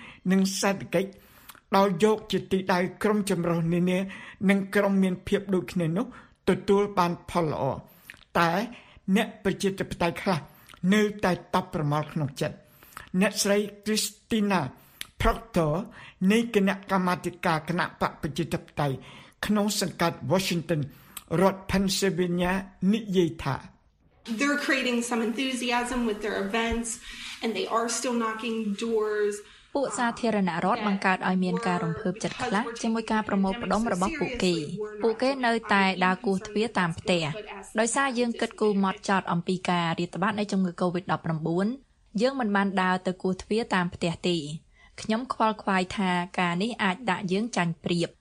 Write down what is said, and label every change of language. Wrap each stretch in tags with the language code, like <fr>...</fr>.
<km>និងសេដ្ឋកិច្ចដោយយកជាទីដៅក្រុមចម្រុះនានានិងក្រុមមានភាពដូចគ្នានោះទទួលបានផលល្អតែអ្នកប្រជាធិបតេយ្យខ្លះនៅតែតបប្រមល់ក្នុងចិត្តអ្នកស្រី Christina Proctor នៃគណៈកម្មាធិការគណៈបកប្រជាធិបតេយ្យក្នុងសង្កាត់ Washington រដ្ឋ Pennsylvania និយាយថា</km> <en>They're creating some enthusiasm with their events and they are still knocking doors.</en> <km>ពួកសាធារណរដ្ឋបង្កើតឲ្យមានការរំភើបចិត្តខ្លះជាមួយការប្រមូលផ្ដុំរបស់ពួកគេ។ពួកគេនៅតែដើរគោះទ្វារតាមផ្ទះ។ដោយសារយើងគិតគូរម៉ត់ចត់អំពីការរាតត្បាតនៃជំងឺ COVID-19 យើងមិនបានដើរទៅគោះទ្វារតាមផ្ទះទេ។ខ្ញុំខ្វល់ខ្វាយថាការនេះអាចដាក់យើងចាញ់ប្រៀប</km>